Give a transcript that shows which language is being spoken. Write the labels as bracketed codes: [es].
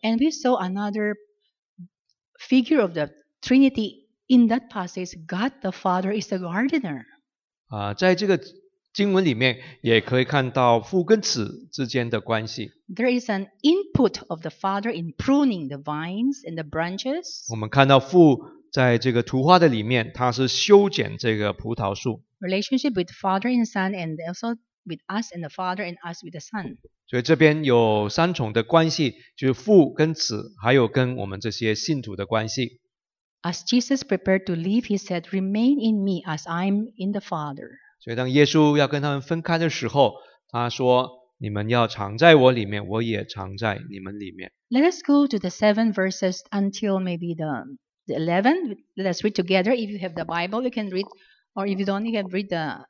[en] And we saw another figure of the Trinity in that passage. God the Father is the gardener. [zh] 在这个经文里面也可以看到父跟子之间的关系。 [en] There is an input of the Father in pruning the vines and the branches. [zh] 我们看到父在这个图画的里面，他是修剪这个葡萄树。 [en] Relationship with Father and Son, and also with us and the Father and us with the Son. [zh] 所以这边有三重的关系，就是父跟子，还有跟我们这些信徒的关系。 [en] As Jesus prepared to leave, he said, "Remain in me, as I'm in the Father." [zh] 所以当耶稣要跟他们分开的时候，他说：“你们要常在我里面，我也常在你们里面。” [en] Let us go to the seven verses until maybe the 11. Let us read together. If you have the Bible, you can read, or if you don't, you can read the.